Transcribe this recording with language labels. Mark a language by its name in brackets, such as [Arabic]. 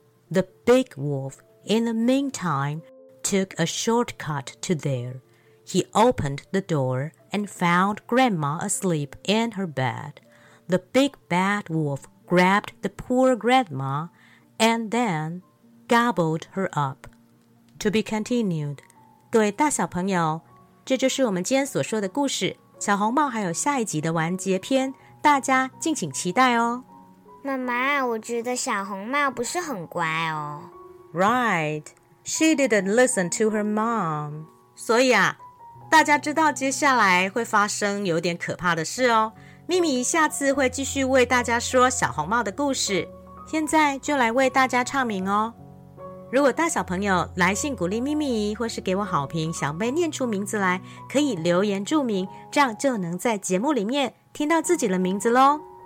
[English] The big wolf, in the meantime, took a shortcut to there. He opened the door and found grandma asleep in her bed. The big bad wolf grabbed the poor grandma and then gobbled her up. To be continued. [Chinese] 各位大小朋友，这就是我们今天所说的故事。小红帽还有下一集的完结篇，大家敬请期待哦。妈妈，我觉得小红帽不是很乖哦。 [English] Right, she didn't listen to her mom. [Chinese] 所以啊，大家知道接下来会发生有点可怕的事哦。咪咪下次会继续为大家说小红帽的故事。现在就来为大家唱名哦。如果大小朋友来信鼓励咪咪姨或是给我好评，想被念出名字来，可以留言注明，这样就能在节目里面听到自己的名字咯。